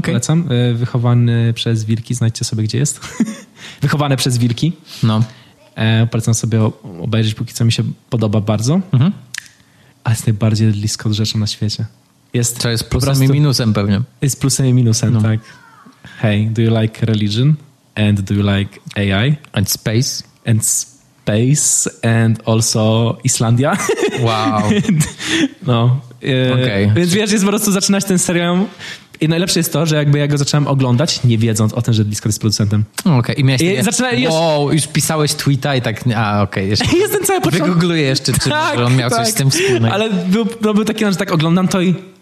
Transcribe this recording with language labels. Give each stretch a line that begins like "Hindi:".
Polish: Polecam. Wychowany przez wilki, znajdźcie sobie, gdzie jest. Wychowane przez wilki. No. Polecam sobie obejrzeć, póki co mi się podoba bardzo. Mhm. Ale jest najbardziej blisko od rzeczy na świecie. Jest. To jest plusem i minusem pewnie. Jest plusem i minusem, no. Tak.
English: Hey, do you like religion? And do you like AI? And space? And space and also Islandia. Wow.
Polish: No.
English: Okay.
Polish: Więc wiesz, jest po prostu zaczynać ten serial. I najlepsze jest to, że jakby ja go zacząłem oglądać, nie wiedząc o tym, że Ridley Scott jest producentem. Okej, okay. I miałeś...
English: Wow,
Polish: już pisałeś tweeta i tak... A, okej. Okay. Jestem cały początek. Wygoogluję jeszcze, czy tak, może on miał coś z tym wspólnego. Ale był taki, że tak oglądam to i...